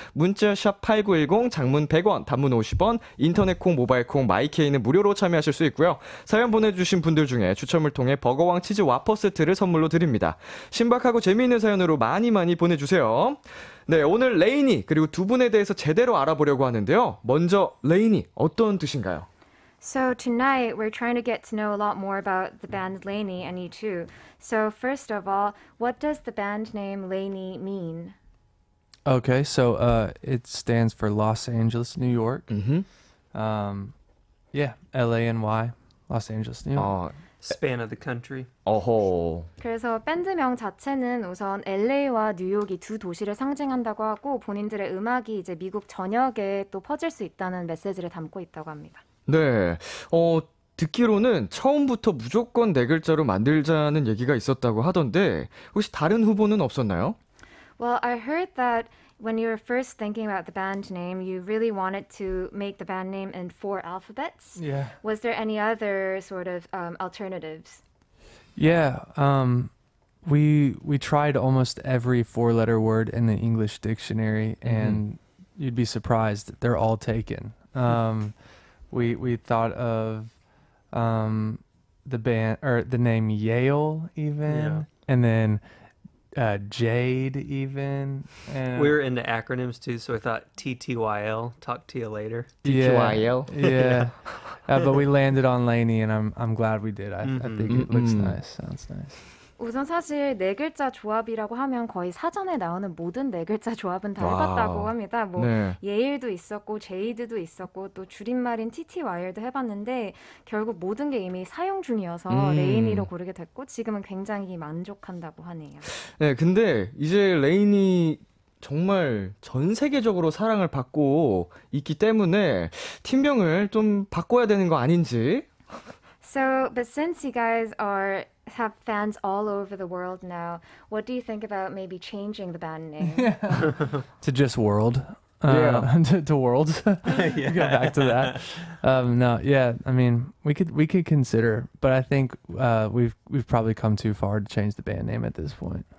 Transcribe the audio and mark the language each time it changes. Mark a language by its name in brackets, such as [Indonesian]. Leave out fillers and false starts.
[Korean] 문자 샵 8910, 장문 100원, 단문 50원, 인터넷 콩, 모바일 콩, 마이케이는 무료로 참여하실 수 있고요. 사연 보내주신 분들 중에 추첨을 통해 버거왕 치즈 와퍼 세트를 선물로 드립니다. 신박하고 재미있는 사연으로 많이 많이 보내주세요. 네, 오늘 레이니 그리고 두 분에 대해서 제대로 알아보려고 하는데요. 먼저 레이니 어떤 뜻인가요? [English] So tonight we're trying to get to know a lot more about the band LANY and you too. So first of all, what does the band name LANY mean? Okay, so it stands for Los Angeles, New York. Mm-hmm. Yeah, LANY, Los Angeles, New York. Span of the country. Oh. [Korean] 그래서 밴드명 자체는 우선 LA와 뉴욕이 두 도시를 상징한다고 하고 본인들의 음악이 이제 미국 전역에 또 퍼질 수 있다는 메시지를 담고 있다고 합니다. 네. 듣기로는 처음부터 무조건 네 글자로 만들자는 얘기가 있었다고 하던데 혹시 다른 후보는 없었나요? [English] Well, I heard that when you were first thinking about the band name, you really wanted to make the band name in four alphabets. Yeah. Was there any other sort of alternatives? Yeah. We tried almost every four-letter word in the English dictionary, mm-hmm. and you'd be surprised. They're all taken. We thought of the band or the name Yale even, yeah. and then Jade even. We were into acronyms too, so I thought TTYL, talk to you later. TTYL. Yeah. yeah. but we landed on LANY and I'm glad we did. I think it looks nice. Sounds nice. [Korean] 우선 사실 네 글자 조합이라고 하면 거의 사전에 나오는 모든 네 글자 조합은 다 해봤다고 합니다. 뭐 네. 예일도 있었고 제이드도 있었고 또 줄임말인 TTYL도 해봤는데 결국 모든 게 이미 사용 중이어서 레이니로 고르게 됐고 지금은 굉장히 만족한다고 하네요. 네, 근데 이제 레이니 정말 전 세계적으로 사랑을 받고 있기 때문에 팀명을 좀 바꿔야 되는 거 아닌지. [English] So, but since you guys are have fans all over the world now, what do you think about maybe changing the band name? to just world. Yeah. to world. yeah. Go back to that. We could consider, but I think we've probably come too far to change the band name at this point.